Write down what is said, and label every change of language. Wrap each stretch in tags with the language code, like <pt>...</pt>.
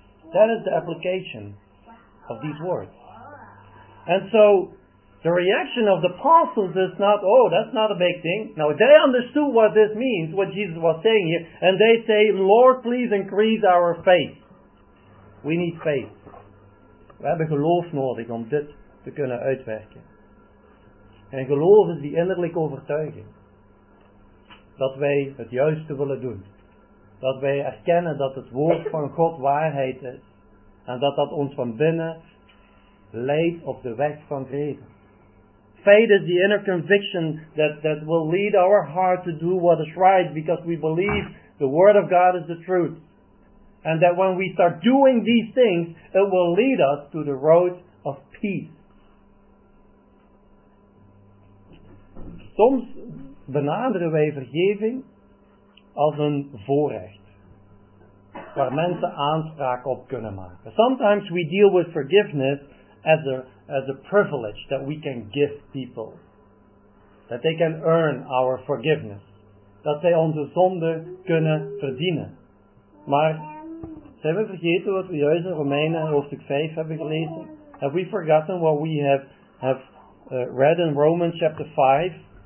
<en>That is the application of these words. And so, the reaction of the apostles is not, oh, that's not a big thing. No, they understood what this means, what Jesus was saying here, and they say, Lord, please increase our faith. We need faith.</en> <nl>We hebben geloof nodig om dit te kunnen uitwerken. En geloof is die innerlijke overtuiging. Dat wij het juiste willen doen. Dat wij erkennen dat het woord van God waarheid is. En dat dat ons van binnen leidt op de weg van vrede.</nl> <en>Faith is the inner conviction that will lead our heart to do what is right. Because we believe the word of God is the truth. And that when we start doing these things, it will lead us to the road of peace.</en> <nl>Soms benaderen wij vergeving als een voorrecht. Waar mensen aanspraak op kunnen maken.</nl> <en>Sometimes we deal with forgiveness as a privilege that we can give people. That they can earn our forgiveness.</en> <nl>Dat zij onze zonde kunnen verdienen. Maar zijn we vergeten wat we juist in Romeinen hoofdstuk 5 hebben gelezen?</nl> <en>Have we forgotten what we have read in Romans chapter 5?</en>